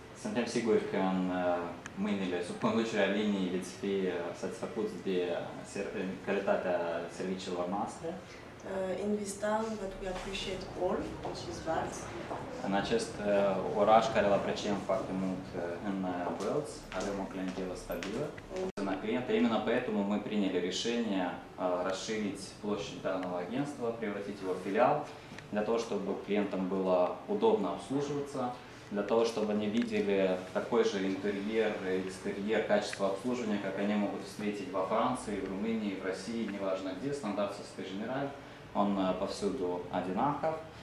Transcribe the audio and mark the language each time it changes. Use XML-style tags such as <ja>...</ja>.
<ro>Suntem siguri că în mâinile, sub conducerea linii, veți fi satisfăcuți de calitatea serviciilor noastre.</ro> <en>In this town that we appreciate all, which is Valt.</en> <ro>În acest oraș care îl apreciem foarte mult în Valt, avem o clientelă stabilă.</ro> <ru>Na clienta, именно поэтому мы приняли решение расширить площадь данного агентства, превратить его в филиал, для того, чтобы клиентам было удобно обслуживаться, для того, чтобы они видели такой же интерьер, экстерьер, качество обслуживания, как они могут встретить во Франции, в Румынии, в России, неважно где, стандарт Société Générale, он повсюду одинаков.</ru>